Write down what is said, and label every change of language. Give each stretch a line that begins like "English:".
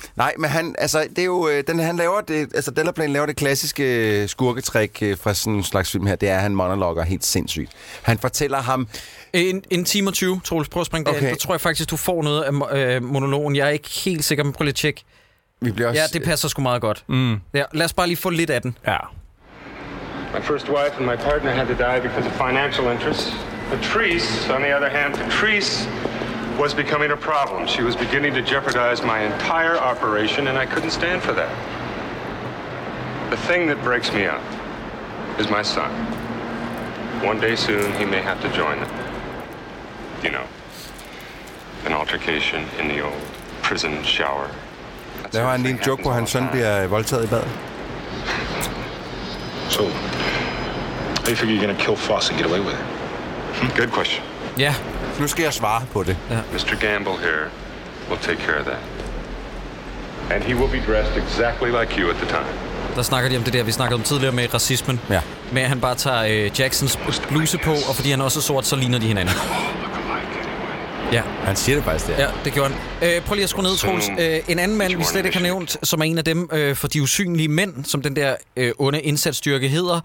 Danish: Nej, men han, altså, det er jo, han laver det, altså, Delaplane laver det klassiske skurketrik fra sådan en slags film her. Det er, han monologer helt sindssygt. Han fortæller ham... En time og 20, Troels, prøv at springe det. Okay. Der tror jeg faktisk, du får noget af monologen. Jeg er ikke helt sikker, men prøv lige at tjekke. Vi bliver også... Ja, det passer sgu meget godt. Mm. Ja, lad os bare lige få lidt af den. Ja.
English: My first wife and my partner had to die because of financial interests. Patrice, on the other hand, Patrice was becoming a problem. She was beginning to jeopardize my entire operation, and I couldn't stand for that. The thing that breaks me up is my son. One day soon, he may have to join them. You know, an altercation in the old prison shower.
Danish: Der var en lille joke, hvor hans søn bliver voldtaget i bad.
English: So, how you figure you're gonna kill Foss and get away with it? Good question. Yeah.
Danish: Nu skal jeg svare på det.
English: Yeah. Mr. Gamble here will take care of that. And he will be dressed exactly like you at the time.
Danish: Der snakker de om det der, vi snakkede om tidligere med racismen. Ja. Med at han bare tager Jacksons bluse på, og fordi han også er sort, så ligner de hinanden. Ja. Han siger det faktisk, det er. Ja, det gjorde han. Prøv lige at skrue ned, Troels. En anden mand, vi slet ikke har nævnt, som er en af dem for de usynlige mænd, som den der onde indsatsstyrke hedder.